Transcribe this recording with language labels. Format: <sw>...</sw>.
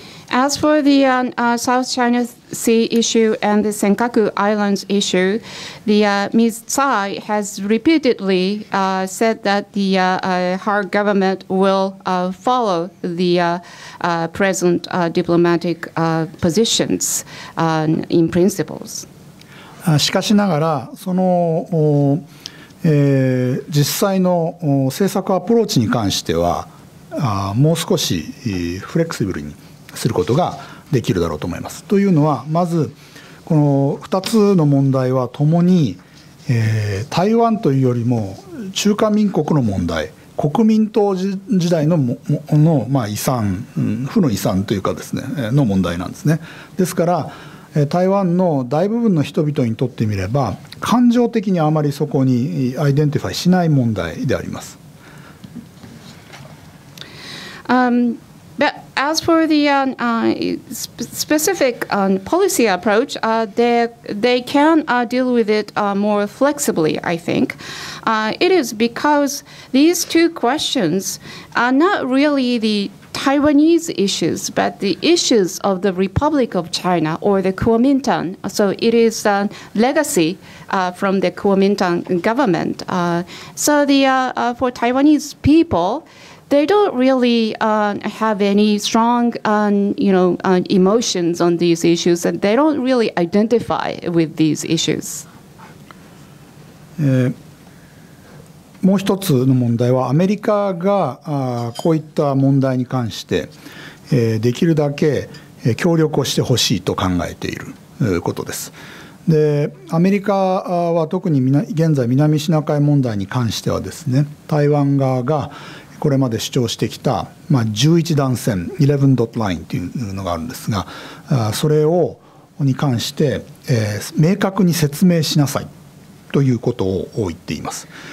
<en>As for the South China Sea issue and the Senkaku Islands issue, the Ms. Tsai has repeatedly said that the her government will follow the present diplomatic positions in principles.</en> <ja>しかしながら、その、実際の政策アプローチに関しては、もう少しフレクシブルにすることができるだろうと思います。というのはまずこの2つの問題はともに、台湾というよりも中華民国の問題、国民党時代 の、まあ、遺産、負の遺産というかですねの問題なんですね。ですから台湾の大部分の人々にとってみれば感情的にあまりそこにアイデンティファイしない問題であります。</ja> <en>But as for the specific policy approach, they can deal with it more flexibly, I think. It is because these two questions are not really the Taiwanese issues, but the issues of the Republic of China or the Kuomintang. So it is a legacy from the Kuomintang government. So for Taiwanese people,They don't really have any strong, emotions on these issues, and they don't really identify with these issues.</en> <ja>もう一つの問題はアメリカがこういった問題に関してできるだけ協力をしてほしいと考えていることです。で、アメリカは特に現在南シナ海問題に関してはですね、台湾側がこれまで主張してきた、まあ、11断線11ドットラインというのがあるんですが、それをに関して、明確に説明しなさいということを言っています。</ja>